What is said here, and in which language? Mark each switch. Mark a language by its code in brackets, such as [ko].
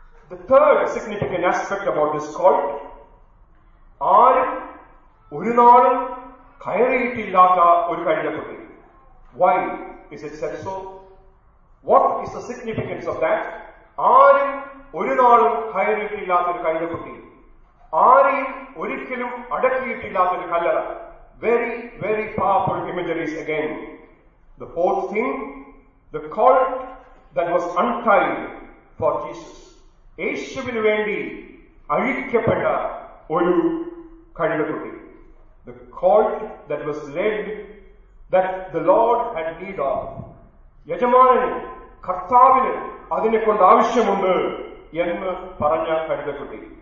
[en] The third significant aspect about this cult, [ml] ആര് ഒരു നാളും കയറിയിട്ടില്ലാത്ത ഒരു കഴുതക്കുട്ടി. [en] Why is it said so? What is the significance of that? [ml] ആര് ഒരു നാളും കയറിയിട്ടില്ലാത്ത ഒരു കഴുതക്കുട്ടി. ആരെയും ഒരിക്കലും അടക്കിയിട്ടില്ലാത്ത ഒരു കല്ലറ. [en] Very, very powerful imageries again. The fourth thing, the cult that was untied for Jesus. [ml] യേശുവിന് വേണ്ടി അഴിക്കപ്പെട്ട ഒരു കഴുതക്കുട്ടി. [en] The colt that was led that the lord had need of. [ml] യജമാനന് കർത്താവിന് അതിനെ കൊണ്ട് ആവശ്യമുണ്ട് എന്ന് പറഞ്ഞ കഴുതക്കുട്ടി.